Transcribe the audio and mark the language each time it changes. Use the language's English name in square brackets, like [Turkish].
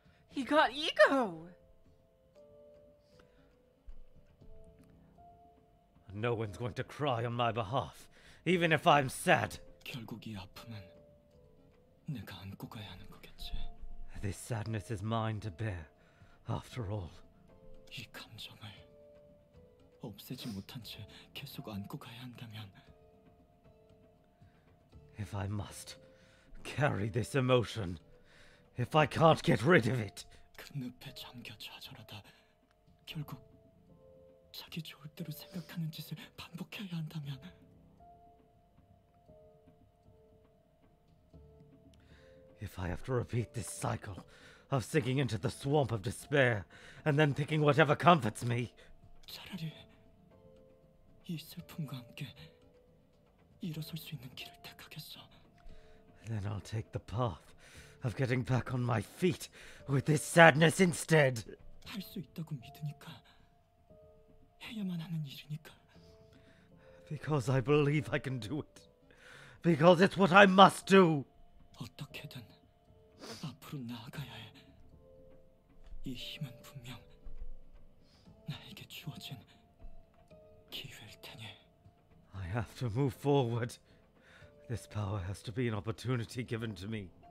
[English] He got ego! No one's going to cry on my behalf, even if I'm sad. [Korean] 결국 이 아픔은 내가 안고 가야 하는 거겠지. [English] This sadness is mine to bear, after all. [Korean] 이 감정을 없애지 못한 채 계속 안고 가야 한다면... [English] If I must carry this emotion, if I can't get rid of it, [Korean] 그 늪에 잠겨 좌절하다 결국 자기 좋을 대로 생각하는 짓을 반복해야 한다면 [English] If I have to repeat this cycle of sinking into the swamp of despair and then thinking whatever comforts me [Korean] 차라리 이 슬픔과 함께 일어설 수 있는 길을 택하겠어 [English] Then I'll take the path of getting back on my feet with this sadness instead. [Korean] 할 수 있다고 믿으니까 해야만 하는 일이니까. [English] Because I believe I can do it. Because it's what I must do. [Korean] 어떻게든 앞으로 나아가야 해. 이 힘은 분명 나에게 주어진 기회일 테니. [English] I have to move forward. This power has to be an opportunity given to me.